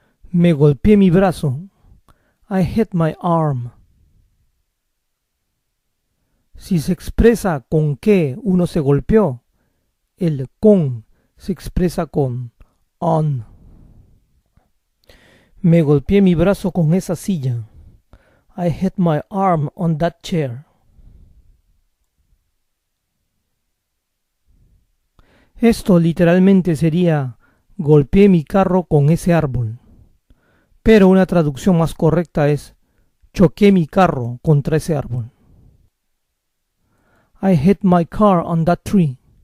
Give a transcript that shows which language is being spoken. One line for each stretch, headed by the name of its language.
Spanish: Me golpeé mi brazo.
English: I hit my arm.
Spanish: Si se expresa con qué uno se golpeó, el con se expresa con on. Me golpeé mi brazo con esa silla.
English: I hit my arm on that chair.
Spanish: Esto literalmente sería golpeé mi carro con ese árbol. Pero una traducción más correcta es choqué mi carro contra ese árbol.
English: I hit my car on that tree.